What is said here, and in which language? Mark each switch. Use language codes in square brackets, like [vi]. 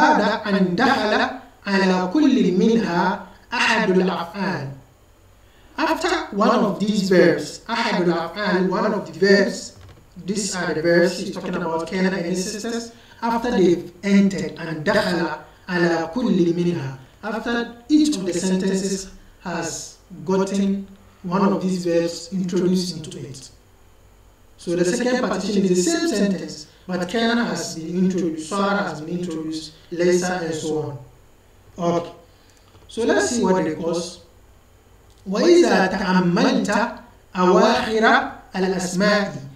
[ar] بعد أن دخل على كل منها أحد الأفعال. [en] After one of these verbs, [ar] أحد الأفعال, [en] one of the verbs, these are the verbs he's talking about, كان and ancestors. After they've entered and [ar] دخل على كل منها, [en] after each of the sentences has gotten one of these verbs introduced into it. So the second partition is the same sentence, but كان has been introduced, صار has been introduced, ليس and so on. Okay. So let's see what it goes. [ar] وإذا تأملت أواخر الأسماء.